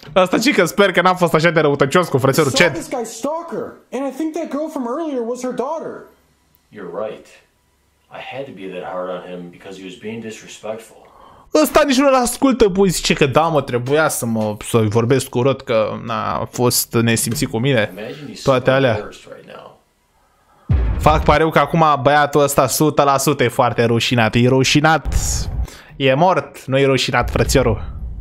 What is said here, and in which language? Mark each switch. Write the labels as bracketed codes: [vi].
[ro] Asta zic că sper că n-am fost așa de răutăcios cu frățelul Chad. [en] This guy's stalker. And I think that girl from earlier was her daughter. You're right. I had to be that hard on him because he was being disrespectful. [ro] Ăsta nici nu-l ascultă, bă, zice că da, mă, trebuia să-i vorbesc urât că n-a fost nesimțit cu mine. Toate alea. Fac pareu că acum băiatul ăsta 100% e foarte rușinat. E rușinat. E mort. Nu e rușinat, frățiorul.